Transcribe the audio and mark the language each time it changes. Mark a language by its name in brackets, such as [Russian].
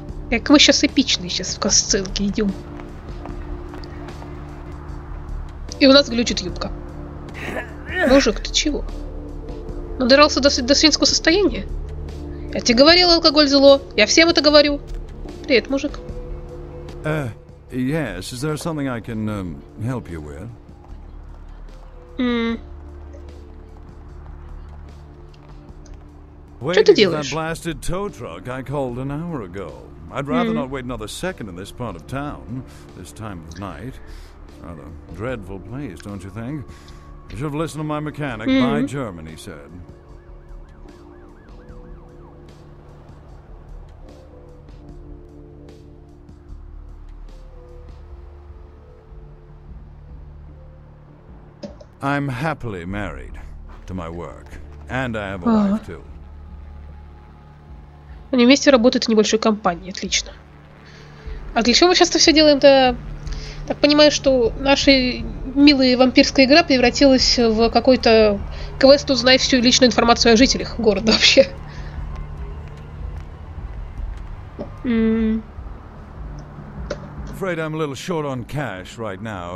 [Russian] Как мы сейчас эпичные сейчас в касцинке идем. И у нас глючит юбка. Мужик, ты чего? Надрался до свинского состояния? Я тебе говорил, алкоголь зло. Я всем это говорю. Привет, мужик. [English] Yes, is there something I can help you with? [Russian] Что ты делаешь? [English] That blasted tow truck I called an hour ago. I'd rather not wait another second in this part of town, this time of night. Rather dreadful place, don't you think? You should have listened to my mechanic, my German, he said. I'm happily married to my work, and I have a wife too. [Russian] Они вместе работают в небольшой компании, отлично. А для чего мы сейчас-то все делаем-то? Так понимаю, что наша милая вампирская игра превратилась в какой-то квест, узнай всю личную информацию о жителях города вообще. [English] Afraid I'm a little short on cash right now.